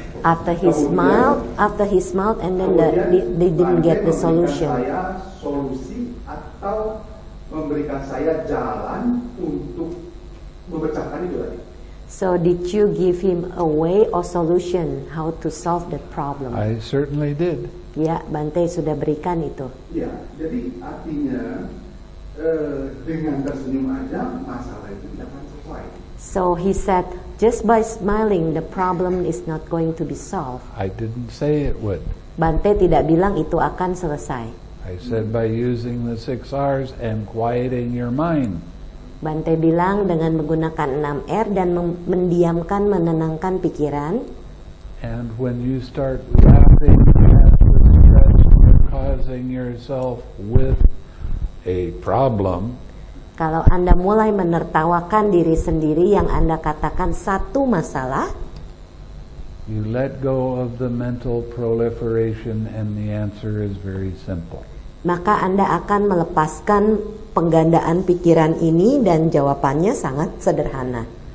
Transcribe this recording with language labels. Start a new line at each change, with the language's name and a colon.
English: After he smiled, and then they didn't get the solution.
Indonesian: Solusi atau memberikan saya jalan untuk memecahkan itu tadi.
English: So did you give him a way or solution how to solve that problem? I certainly did.
Indonesian: Ya, Bante sudah berikan itu. Ya, jadi artinya dengan tersenyum aja masalah itu tidak akan selesai.
English: So he said, just by smiling, the problem is not going to be solved. I didn't say it would.
Indonesian: Bante tidak bilang itu akan selesai.
English: I said by using the 6 R's and quieting your mind.
Indonesian: Bante bilang dengan menggunakan 6 R dan mendiamkan, menenangkan pikiran.
English: And when you start laughing at the stress you're causing yourself with a problem.
Indonesian: Kalau Anda mulai menertawakan diri sendiri yang Anda katakan satu masalah.
English: You let go of the mental proliferation and the answer is very simple.
Indonesian: Maka Anda akan melepaskan penggandaan pikiran ini dan jawabannya sangat sederhana.